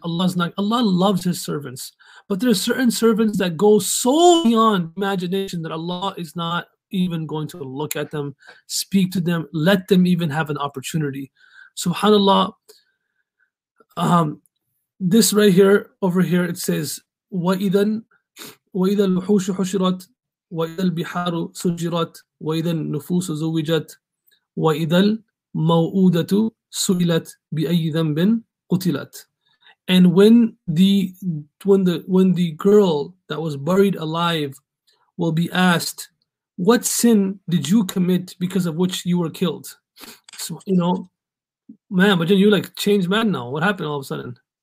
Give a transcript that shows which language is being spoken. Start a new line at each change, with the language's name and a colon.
English: Allah loves his servants. But there are certain servants that go so beyond imagination that Allah is not even going to look at them, speak to them, let them even have an opportunity. SubhanAllah, this right here, over here, it says,
Arabic: وإذا الوحوش حشرت وإذا البحار سجرت وإذا النفوس زوجت وإذا الموؤودة سئلت بأي ذنب قتلت.
English: And when the girl that was buried alive will be asked, what sin did you commit because of which you were killed? So, you know, man, but you like changed man now. What happened all of a sudden?